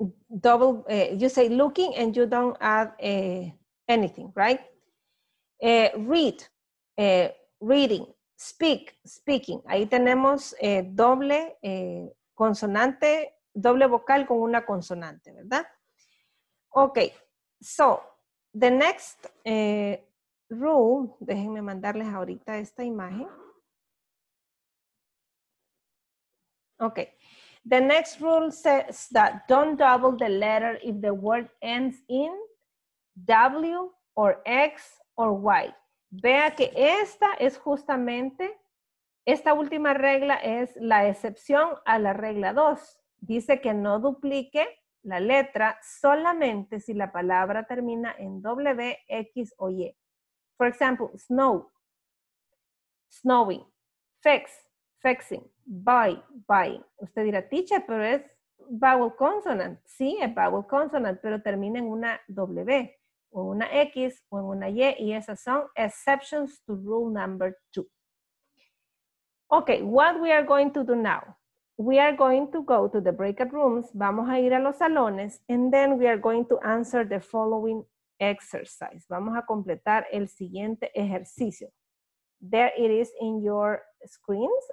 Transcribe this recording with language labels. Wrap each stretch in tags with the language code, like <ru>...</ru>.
<en>You say looking and you don't add anything, right? Read. Reading. Speak. Speaking.</en> <es>Ahí tenemos doble consonante, doble vocal con una consonante, ¿verdad?</es> <en>Okay. So, the next rule,</en> <es>déjenme mandarles ahorita esta imagen.</es> <en>Okay, the next rule says that don't double the letter if the word ends in W or X or Y.</en> <es>Vea que esta es justamente, esta última regla es la excepción a la regla 2. Dice que no duplique la letra solamente si la palabra termina en W, X o Y.</es> <en>For example, snow, snowing, fix, fixing, buy, buying.</en> <es>Usted dirá, teacher, pero es vowel consonant. Sí, es vowel consonant, pero termina en una W, o una X, o en una Y, y esas son</es> <en>exceptions to rule number 2. Okay, what we are going to do now? We are going to go to the breakout rooms,</en> <es>vamos a ir a los salones,</es> <en>and then we are going to answer the following exercise.</en> <es>Vamos a completar el siguiente ejercicio.</es> <en>There it is in your screens.</en>